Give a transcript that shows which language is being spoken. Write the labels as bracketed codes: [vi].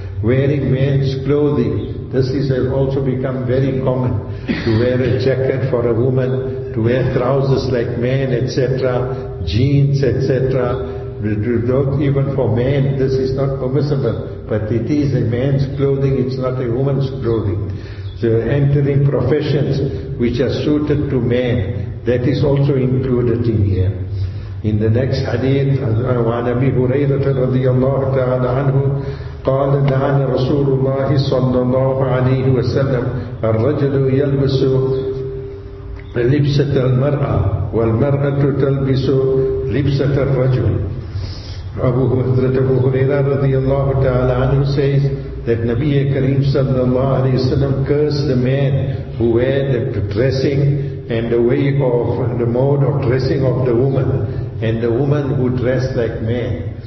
[en] Wearing men's clothing, this has also become very common, to wear a jacket for a woman, to wear trousers like men, etc., jeans, etc. Don't even for men, this is not permissible, but it is a man's clothing, it's not a woman's clothing. So entering professions which are suited to men, that is also included in here. In the next hadith, [ar] عن أبي هريرة رضي الله تعالى عنه قال نهى رسول الله صلى الله عليه وسلم الرجل يلبس لبسة المرأة والمرأة تلبس لبسة الرجل. [en] Abu Hurairah radiyallahu ta'ala anhu says that Nabi Kareem sallallahu alayhi wa sallam cursed the man who wear the dressing and the way of the mode of dressing of the woman, and the woman who dress like man.